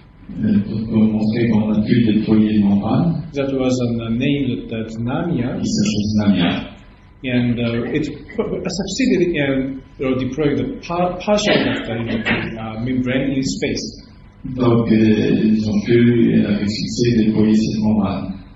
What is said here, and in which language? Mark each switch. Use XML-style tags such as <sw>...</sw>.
<fr>Pour montrer qu'on a pu déployer une membrane.</fr> <en>That was named Tsunamiya. And it succeeded in deploying the partial membrane in space.</en> <fr>Donc, ils ont pu, avec succès, déployer cette membrane.</fr>